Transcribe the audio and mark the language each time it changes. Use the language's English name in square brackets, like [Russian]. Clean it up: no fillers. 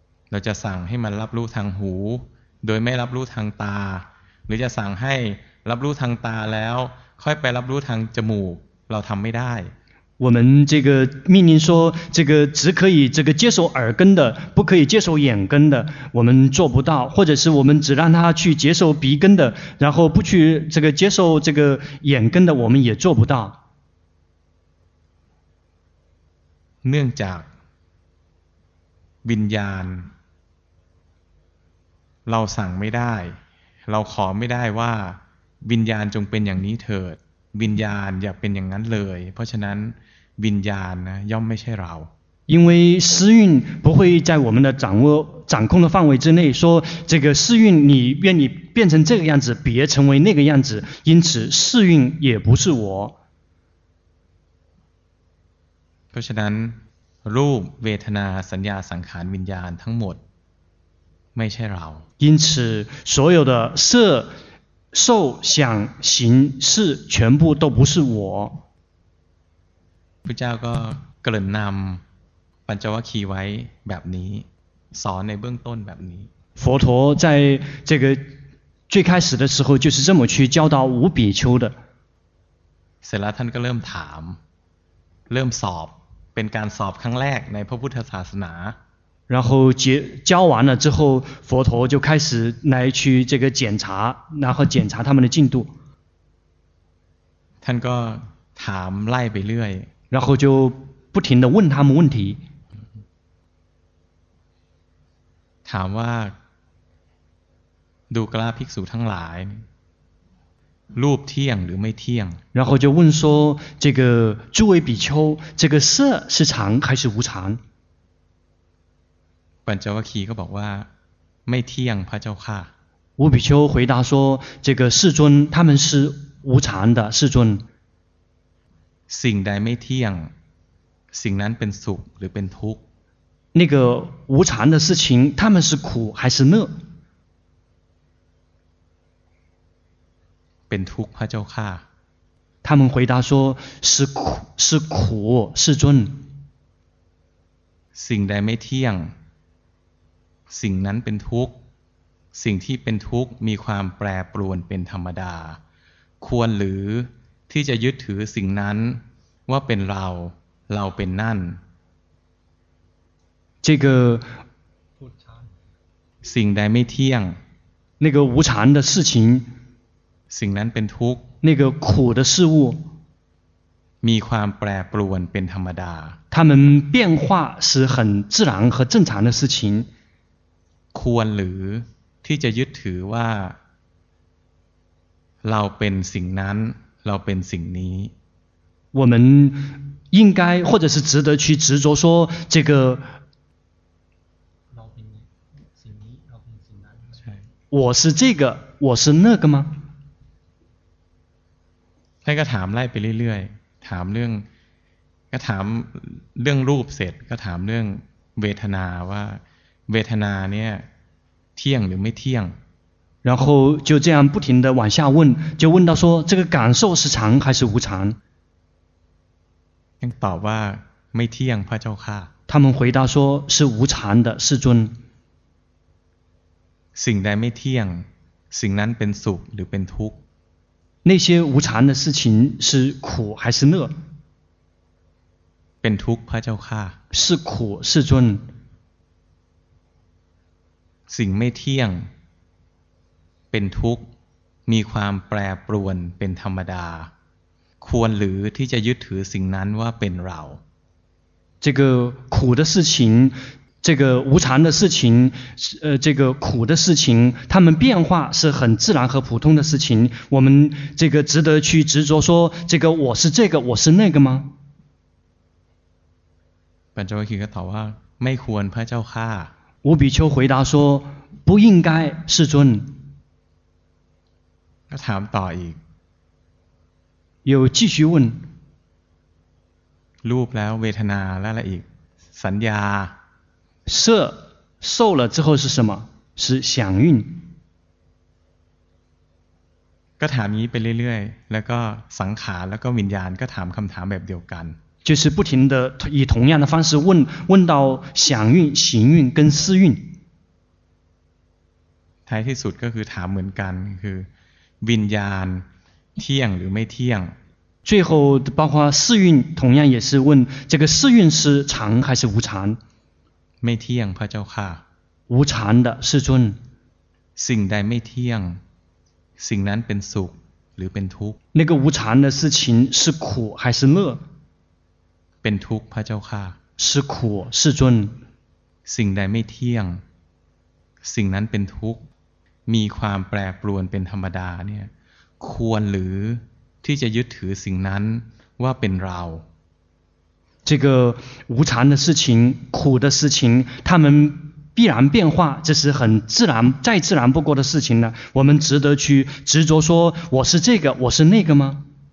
[Thai] เราจะสั่งให้มันรับรู้ทางหูโดยไม่รับรู้ทางตาหรือจะสั่งให้รับรู้ทางตาแล้วค่อยไปรับรู้ทางจมูกเราทำไม่ได้ [Chinese] 我们这个命令说这个只可以这个接受耳根的，不可以接受眼根的，我们做不到，或者是我们只让他去接受鼻根的，然后不去这个接受这个眼根的，我们也做不到。 [Thai] เนื่องจากวิญญาณเราสั่งไม่ได้เราขอไม่ได้ว่าวิญญาณจงเป็นอย่างนี้เถิดวิญญาณอย่าเป็นอย่างนั้นเลยเพราะฉะนั้นวิญญาณนะย่อมไม่ใช่เรา [Chinese] 因为私运不会在我们的掌控的范围之内说这个私运你愿意变成这个样子别成为那个样子因此私运也不是我 [Thai] เพราะฉะนั้นรูปเวทนาสัญญาสังขารวิญญาณทั้งหมดไม่ใช่เรา [Chinese] 因此所有的色受想行识全部都不是我 [Thai] พระเจ้าก็เกริ่นนำปัญจวัคคีย์ไว้แบบนี้สอนในเบื้องต้นแบบนี้ [Chinese] 佛陀在这个最开始的时候就是这么去教导五比丘的 [Thai] เสร็จแล้วท่านก็เริ่มถามเริ่มสอบเป็นการสอบครั้งแรกในพระพุทธศาสนา [Chinese] 然后教完了之后佛陀就开始来去这个检查然后检查他们的进度 [Thai] ท่านก็ถามไล่ไปเรื่อย [Chinese] 然后就不停地问他们问题 [Thai] ถามว่าดูกราภิกษุทั้งหลายรูปเที่ยงหรือไม่เที่ยง [Chinese] 然后就问说这个诸位比丘这个色是常还是无常 [Thai] ปัญจวัคคีย์ก็บอกว่าไม่เที่ยงพระเจ้าค่ะ [Chinese] 五比丘回答说这个世尊他们是无常的世尊 [Thai] สิ่งใดไม่เที่ยงสิ่งนั้นเป็นสุขหรือเป็นทุกข์ [Chinese] 那个无常的事情他们是苦还是乐 [Thai] เป็นทุกข์พระเจ้าค่ะ [Chinese] 他们回答说是苦是苦世尊 [Thai] สิ่งใดไม่เที่ยงสิ่งนั้นเป็นทุกข์สิ่งที่เป็นทุกข์มีความแปรปรวนเป็นธรรมดาควรหรือที่จะยึดถือสิ่งนั้นว่าเป็นเราเราเป็นนั่น [Chinese] 这个 [Thai] สิ่งใดไม่เที่ยง [Chinese] 那个无常的事情 [Thai] สิ่งนั้นเป็นทุกข์ [Chinese] 那个苦的事物 [Thai] มีความแปรปรวนเป็นธรรมดา [Chinese] 它们变化是很自然和正常的事情 [Thai] ควรหรือที่จะยึดถือว่าเราเป็นสิ่งนั้นเราเป็นสิ่งนี้ [Chinese] 我们应该或者是值得去执着说这个我是这个我是那个吗 [Thai] ท่านก็ถามไล่ไปเรื่อยๆถามเรื่องก็ถามเรื่องรูปเสร็จก็ถามเรื่องเวทนาว่าเวทนาเนี่ยเที่ยงหรือไม่เที่ยง [Chinese] 然后就这样不停地往下问就问到说这个感受是常还是无常 [Thai] ท่านตอบว่าไม่เที่ยงพระเจ้าค่ะ [Chinese] 他们回答说是无常的世尊 [Thai] สิ่งใดไม่เที่ยงสิ่งนั้นเป็นสุขหรือเป็นทุกข์ [Chinese] 那些无常的事情是苦还是乐 [Thai] เป็นทุกข์พระเจ้าค่ะ [Chinese] 是苦世尊 [Thai] สิ่งไม่เที่ยงเป็นทุกข์มีความแปรปรวนเป็นธรรมดาควรหรือที่จะยึดถือสิ่งนั้นว่าเป็นเรา [Chinese] 这个苦的事情这个无常的事情这个苦的事情它们变化是很自然和普通的事情我们这个值得去执着说这个我是这个我是那个吗 [Thai] ปัญจวัคคีย์ก็ตอบว่าไม่ควรพระเจ้าค่ะ [Chinese] 五比丘回答说不应该世尊 [Thai] ก็ถามต่ออีก [Chinese] 又继续问 [Thai] รูปแล้วเวทนาแล้วละอีกสัญญา [Chinese] 色受了之后是什么是想蕴 [Thai] ก็ถามนี้ไปเรื่อยๆแล้วก็สังขารแล้วก็วิญญาณก็ถามคำถามแบบเดียวกัน [Chinese] 就是不停地以同样的方式问问到想运行运跟思运 [Thai] ท้ายที่สุดก็คือถามเหมือนกันคือวิญญาณเที่ยงหรือไม่เที่ยง [Chinese] 最后包括四蕴同样也是问这个四蕴是常还是无常 [Thai] ไม่เที่ยงพระเจ้าค่ะ [Chinese] 无常的世尊 [Thai] สิ่งใดไม่เที่ยงสิ่งนั้นเป็นสุขหรือเป็นทุกข์ [Chinese] 那个无常的事情是苦还是乐 [Thai] เป็นทุกข์พระเจ้าค่ะ [Chinese] 是苦世尊 [Thai] สิ่งใดไม่เที่ยงสิ่งนั้นเป็นทุกข์มีความแปรปรวนเป็นธรรมดาเนี่ยควรหรือที่จะยึดถือสิ่งนั้นว่าเป็นเรา [Chinese] 这个无常的事情苦的事情他们必然变化这是很自然再自然不过的事情呢我们值得去执着说我是这个我是那个吗